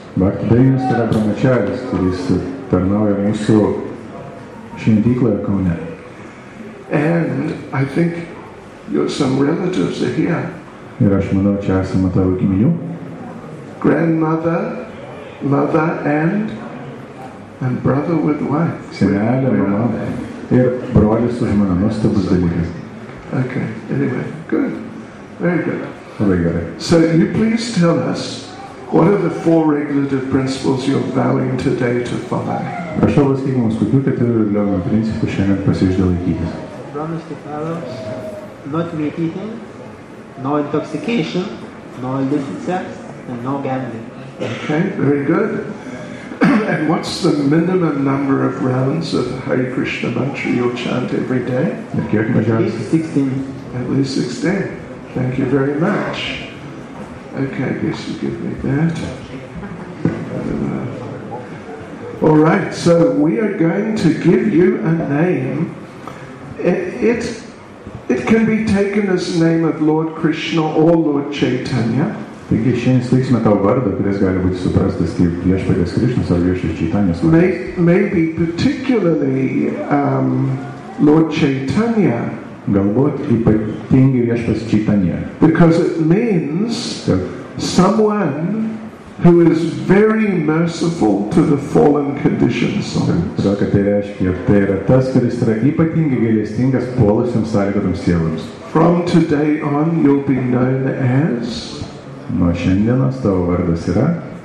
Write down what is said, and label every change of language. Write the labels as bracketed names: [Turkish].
[Lithuanian] Bhaktadainius yra brahmacharis, kuris tarnauja mūsų šventykloje Kaune. [English] And I think your some relatives are here. [Lithuanian] Ir aš manau, čia esame tavo giminių. [English] Grandmother, mother and brother with wife. [Lithuanian] Senelė, mama ir brolis su žmona, nuostabus dalykas. [English] Okay, anyway, good. Very good. [Lithuanian] Labai gerai. [English] So you please tell us, what are the four regulative principles you're vowing today to follow? [Lithuanian] Prašau pasakyk mums, kokių keturių reguliavimo principų šiandien pasižadi laikytis. [English] Not meat eating, no intoxication, no illicit sex, and no gambling. Okay, very good. And what's the minimum number of rounds of Hare Krishna mantra you'll chant every day? At least 16. At least 16. Thank you very much. Okay, I guess you give me that. All right, so we are going to give you a name. It can be taken as name of Lord Krishna or Lord Chaitanya. [Lithuanian] Taigi šiandien sveiksime tau vardą, kuris gali būti suprastas kaip Viešpaties Krišnos ar Viešpaties Čaitanijos vardas. [English] Maybe particularly Lord Chaitanya. [Lithuanian] Galbūt ypatingai Viešpaties Čaitanija. [English] Because it means someone who is very merciful to the fallen conditions. [Lithuanian] Todėl, kad tai reiškia, tai yra tas, kuris yra ypatingai gailestingas puolusiems sąlygotams sieloms. [English] From today on you'll be known as... [Lithuanian] Nuo šiandienos tavo vardas yra